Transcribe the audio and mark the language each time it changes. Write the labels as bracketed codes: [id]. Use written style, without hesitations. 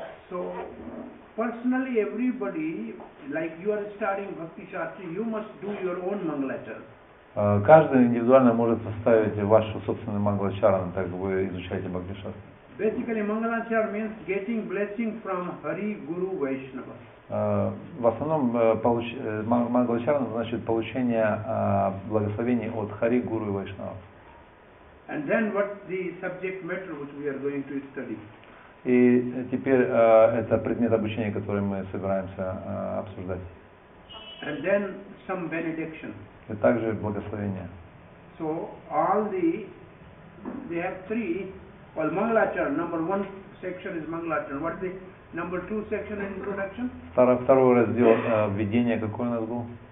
[en] So personally, everybody, like you are studying Bhakti Shastri, you must do your own Mangalacharan. [ru] Каждый индивидуально может составить вашу собственную Мангалачарану, так вы изучаете Бхакти Шастру. [en] Basically, Mangalacharan means getting blessing from Hari, Guru, Vaishnava. [ru] В основном Мангалачарана значит получение благословений от Хари, Гуру и Вайшнава. [en] And then what the subject matter which we are going to study. [ru] И теперь это предмет обучения, который мы собираемся обсуждать. [en] And then some benediction. [ru] И также благословение. [en] So all they have three. Well, Mangalacharan, number one section is Mangalacharan. What is the number two section in introduction? [ru] Второй раздел введения какой у нас был?